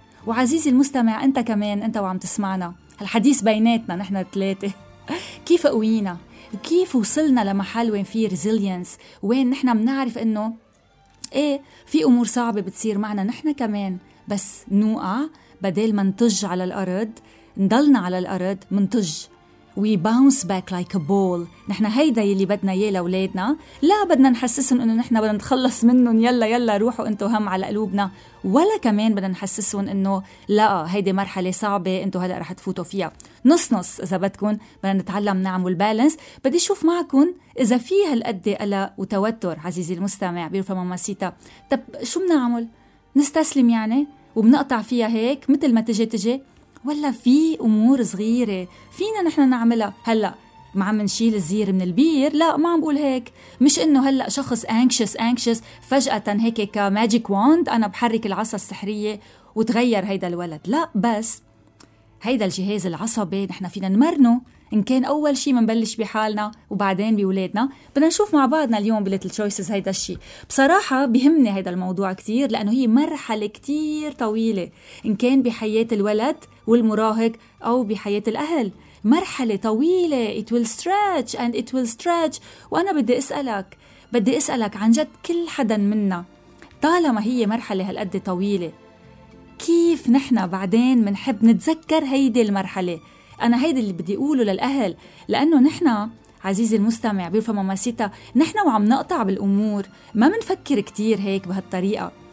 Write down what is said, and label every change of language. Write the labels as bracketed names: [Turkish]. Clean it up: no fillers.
[Arabic] وعزيزي المستمع، أنت كمان أنت وعم تسمعنا الحديث بيناتنا نحن الثلاثة، كيف قوينا؟ كيف وصلنا لمحل وين في ريزيلينس، وين نحن منعرف انه ايه في امور صعبة بتصير معنا نحن كمان، بس نوقع بدل ما نطج على الارض، نضلنا على الارض منطج. [English] We bounce back like a ball. [Arabic] نحن هيدا يلي بدنا ياه لأولادنا. لا بدنا نحسسهم انه نحن بدنا نتخلص منهم، يلا يلا روحوا انتو هم على قلوبنا، ولا كمان بدنا نحسسهم انه لا هيدا مرحلة صعبة انتو هلأ رح تفوتوا فيها. نص نص اذا بدكن، بدنا نتعلم نعمل بالانس. بدي شوف معكن اذا في هالقد قلق وتوتر. عزيزي المستمع بيرفع ماماسيتا، طب شو بنعمل؟ نستسلم يعني وبنقطع فيها هيك مثل ما تجي تجي، ولا في أمور صغيرة فينا نحنا نعملها هلأ؟ ما عم نشيل الزير من البير، لا ما عم بقول هيك، مش إنه هلأ شخص anxious فجأة هيك [English] كماجيك واند [Arabic] أنا بحرك العصا السحرية وتغير هيدا الولد. لا، بس هيدا الجهاز العصبي نحن فينا نمرنه، إن كان أول شيء منبلش بحالنا وبعدين بولادنا. بدنا نشوف مع بعضنا اليوم [English] بليتل تشويسز [Arabic] هيدا الشيء. بصراحة بيهمني هيدا الموضوع كتير، لأنه هي مرحلة كتير طويلة، إن كان بحياة الولد والمراهق أو بحياة الأهل، مرحلة طويلة. [English] It will stretch and it will stretch. [Arabic] وأنا بدي أسألك عن جد كل حدا منا، طالما هي مرحلة هالقد طويلة، كيف نحن بعدين منحب نتذكر هيدي المرحلة؟ أنا هيدا اللي بدي أقوله للأهل، لأنه نحن عزيزي المستمع بيرفا ماماسيتا، نحن وعم نقطع بالأمور ما منفكر كتير هيك بهالطريقة.